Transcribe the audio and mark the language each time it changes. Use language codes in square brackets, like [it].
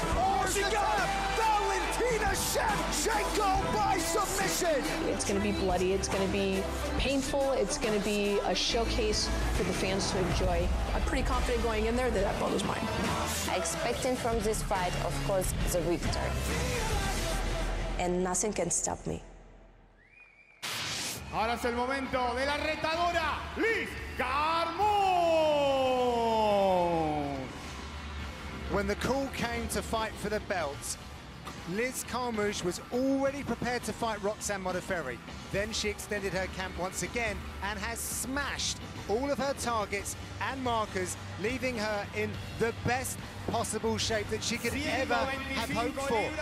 [en] Oh, she got it! Valentina Shevchenko by submission! It's gonna be bloody, it's gonna be painful, it's gonna be a showcase for the fans to enjoy. I'm pretty confident going in there that belt is mine. I expecting from this fight, of course, the victory. And nothing can stop me. [es] Ahora es el momento de la retadora, Liz Carmouche! [en] When the call came to fight for the belt, Liz Carmouche was already prepared to fight Roxanne Modafferi. Then she extended her camp once again and has smashed all of her targets and markers, leaving her in the best possible shape that she could ever have hoped for.